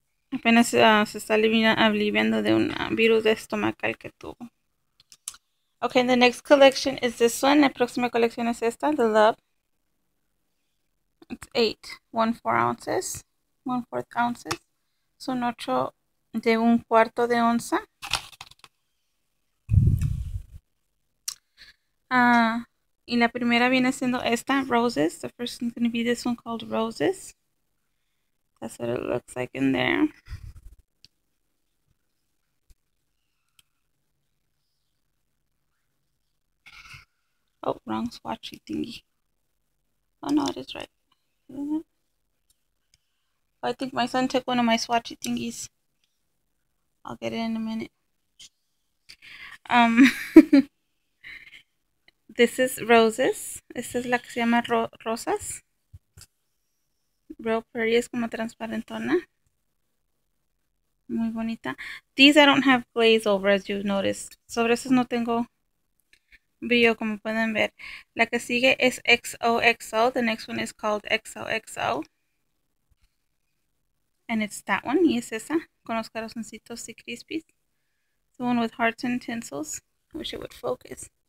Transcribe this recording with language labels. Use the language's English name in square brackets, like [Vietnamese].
[Spanish] Apenas se está aliviando de un virus de estomacal que tuvo. [English] Okay, and the next collection is this one. [Spanish] La próxima colección es esta, The Love. [English] It's 8, 1/4 ounces, 1/4 ounces. [Spanish] Son 8 de 1/4 onza. Y la primera viene siendo esta, Roses. [English] The first one's going to be this one called Roses. That's what it looks like in there. Oh, wrong swatchy thingy. Oh no, it is right. I think my son took one of my swatchy thingies. I'll get it in a minute. This is Roses. [Spanish] Esta es la que se llama Rosas. [English] Real pretty, [Spanish] es como transparentona. Muy bonita. [English] These I don't have glaze over, as you've noticed. [Spanish] Sobre esas no tengo brillo, como pueden ver. La que sigue es XOXO. [English] The next one is called XOXO. And it's that one. [Spanish] Y es esa. Con los corazoncitos y crispies. [English] The one with hearts and tinsels. I wish it would focus.